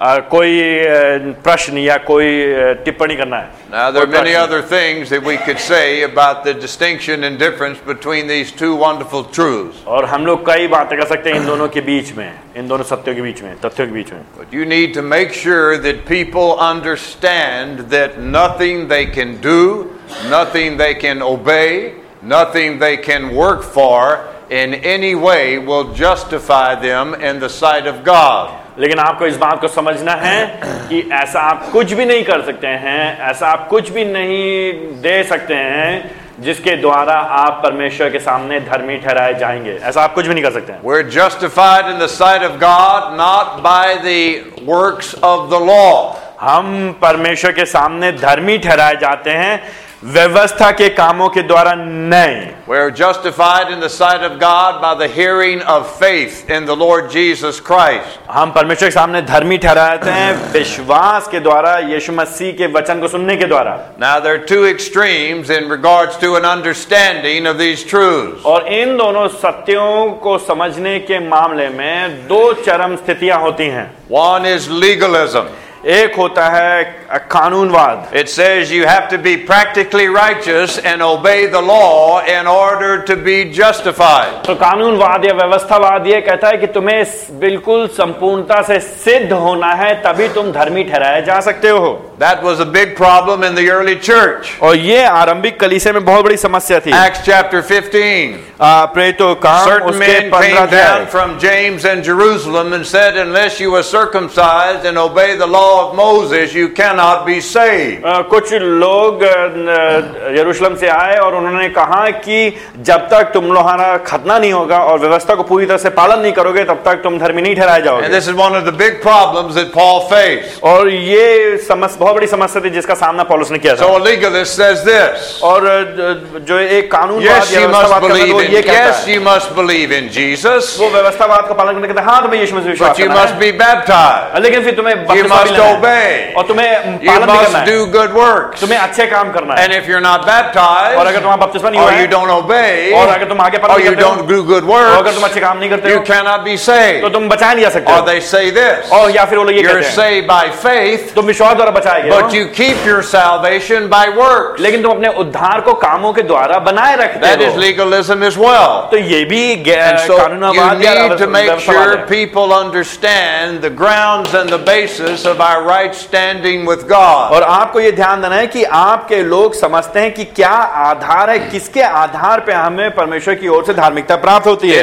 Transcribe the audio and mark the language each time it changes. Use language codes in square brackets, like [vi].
[hi] कोई प्रश्न या कोई टिप्पणी करना है? [en] Now there are many other things that we could say about the distinction and difference between these two wonderful truths. [hi] और हम लोग कई बातें कर सकते हैं इन दोनों के बीच में, इन दोनों सत्यों के बीच में, तथ्यों के बीच में. [en] But you need to make sure that people understand that nothing they can do, nothing they can obey, nothing they can work for in any way will justify them in the sight of God. [hi] लेकिन आपको इस बात को समझना है कि ऐसा आप कुछ भी नहीं कर सकते हैं, ऐसा आप कुछ भी नहीं दे सकते हैं जिसके द्वारा आप परमेश्वर के सामने धर्मी ठहराए जाएंगे. ऐसा आप कुछ भी नहीं कर सकते. [en] We're justified in the sight of God not by the works of the law. [hi] हम परमेश्वर के सामने धर्मी ठहराए जाते हैं व्यवस्था के कामों के द्वारा नहीं. [en] We're justified in the sight of God by the hearing of faith in the Lord Jesus Christ. [hi] हम परमेश्वर के सामने धर्मी ठहराए जाते हैं विश्वास के द्वारा यीशु मसीह के वचन को सुनने के द्वारा. [en] Now there are two extremes in regards to an understanding of these truths. [hi] और इन दोनों सत्यों को समझने के मामले में दो चरम स्थितियां होती हैं. [en] One is legalism. [hi] एक होता है कानूनवाद. [en] It says you have to be practically righteous and obey the law in order to be justified. [hi] तो कानूनवाद या व्यवस्थावाद ये कहता है कि तुम्हें बिल्कुल संपूर्णता से सिद्ध होना है तभी तुम धर्मी ठहराए जा सकते हो. [en] That was a big problem in the early church. [hi] और ये आरंभिक कलीसिया में बहुत बड़ी समस्या थी. [en] Acts chapter 15. [hi] प्रेरितों का उसके 15 अध्याय. [en] Certain men came down from James and Jerusalem and said, unless you are circumcised and obey the law of Moses, you cannot be saved. [hi] कुछ लोग यरूशलेम से आए और उन्होंने कहा कि जब तक तुम लोहारा खतना नहीं होगा और व्यवस्था को पूरी तरह से पालन नहीं करोगे तब तक तुम धर्मी नहीं ठहराए जाओगे. [en] And this is one of the big problems that Paul faced. [hi] और ये बहुत बड़ी समस्या थी जिसका सामना पॉलस ने किया था. [en] So a legalist says this. [hi] और जो एक कानूनवाद का पालन करने के हाथ में यीशु मसीह विश्वास. [en] But you must be baptized. [hi] लेकिन फिर तुम्हें बपतिस्मा लेना है. [en] You must obey. [hi] और तुम्हें पालन करना है. [en] You must do good works. [hi] तुम्हें अच्छे काम करना है. [en] And if you're not baptized. [hi] और अगर तुम बपतिस्मा नहीं हो. [en] Or you don't obey. [hi] और अगर तुम आगे पालन करते हो. [en] Or you don't do good works. [hi] अगर तुम अच्छे काम नहीं करते हो. [en] You cannot be saved. [hi] तो तुम बचा नहीं जा सकते. [en] Or they say this. [hi] और या फिर वो लोग ये कहते हैं. [en] You're saved by faith. [hi] तुम विश्वास द्वारा बचा. [en] But you keep your salvation by works. [hi] लेकिन तुम अपने उद्धार को कामों के द्वारा बनाए रखते हो. [en] That is legalism as well. [hi] तो ये भी कानूनवाद है. [en] You need to make sure people understand the grounds and the basis of our right standing with God. [hi] और आपको ये ध्यान देना है कि आपके लोग समझते हैं कि क्या आधार है, किसके आधार पे हमें परमेश्वर की ओर से धार्मिकता प्राप्त होती है.